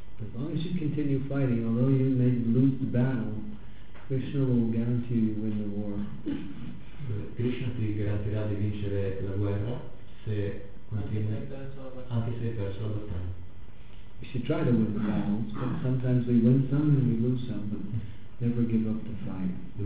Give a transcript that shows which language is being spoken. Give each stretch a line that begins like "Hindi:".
English: As long as you continue fighting, although you may lose the battle, Krishna will guarantee you win the war.
Italian: Krishna ti garantirà di vincere la guerra se continui, anche se hai perso la battaglia.
English: We should try to win the battles, but sometimes we win some and we lose some, but never give up the fight.